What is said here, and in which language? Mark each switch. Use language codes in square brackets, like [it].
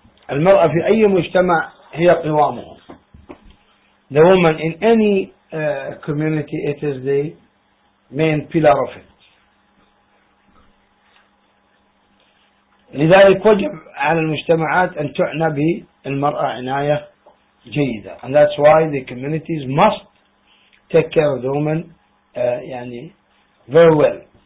[ar] المرأة في أي مجتمع هي قوامه. [en] The woman in any community, it is the main pillar of it. [ar] لذلك وجب على المجتمعات أن تعنى بالمرأة عناية جيدة. [en] And that's why the communities must take care of the woman [ar] يعني [en] very well.